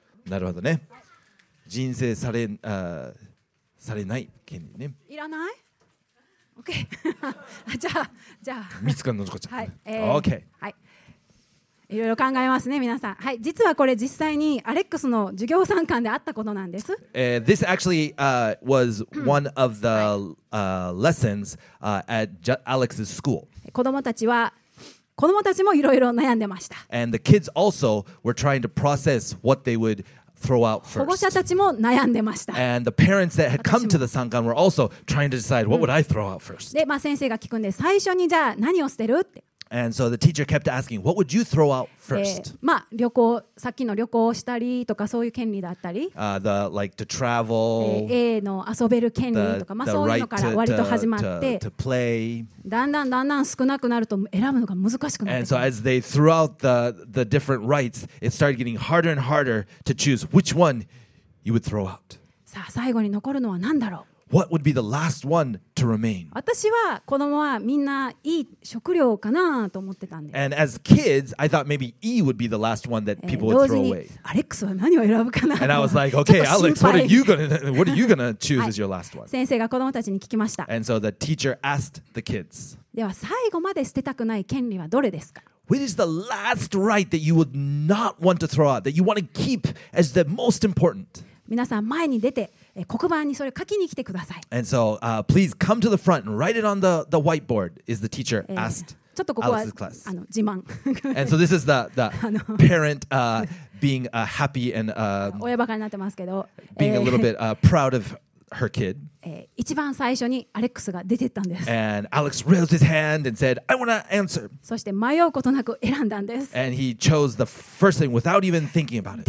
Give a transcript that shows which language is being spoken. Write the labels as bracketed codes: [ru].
[ja] なるほどね。人生され、されない権利ね。いらない ?OK 。じゃあ。三つ子のとこちゃん。はい。 OK、はい。いろいろ考えますね、皆さん。はい。実はこれ、実際にアレックスの授業参観であったことなんです。 [en] This actually was one of the lessons at Alex's school. [ja] 子供たちは。子供たちもいろいろ悩んでました。 [en] And the kids also were trying to process what they would throw out first. [ja] 保護者たちも悩んでました。 [en] And the parents that had come to the sankan were also trying to decide what would I throw out first. [ja] で、まあ、先生が聞くんで、最初にじゃあ何を捨てるって。 [en] And so the teacher kept asking, what would you throw out first? [ja] まあ、旅行、さっきの旅行をしたりとかそういう権利だったり。 [en] The like to travel. [ja] A の遊べる権利とか、まあそういうのから割と始まって。 [en] To play. [ja] だんだん少なくなると選ぶのが難しくなって。 [en] And so as they threw out the different rights, it started getting harder and harder to choose which one you would throw out. [ja] さあ、最後に残るのは何だろう。 [en] What would be the last one to remain? [ja] 私は子供はみんないい食料かなと思ってたんです。 [en] And as kids, I thought maybe E would be the last one that people would throw away. [ja] 同時にアレックスは何を選ぶかな。 [en] And I was like, okay, Alex, what are you gonna choose as your last one? [ja] 先生が子供たちに聞きました。 [en] And so the teacher asked the kids. [ja] では最後まで捨てたくない権利はどれですか。 [en] What is the last right that you would not want to throw out, that you want to keep as the most important? [ja] 皆さん前に出て。黒板にそれ書きに来てください。 [en] And so, please come to the front and write it on the whiteboard. Is the teacher asked Alex's class? [ja] あの自慢。 [en] And so this is the parent being happy and [ja] 親バカになってますけど、 [en] being a little bit proud of her kid. [ja] 一番最初にアレックスが出てったんです。 [en] And Alex raised his hand and said, "I want to answer." [ja] そして迷うことなく選んだんです。 [en] And he chose the first thing without even thinking about it.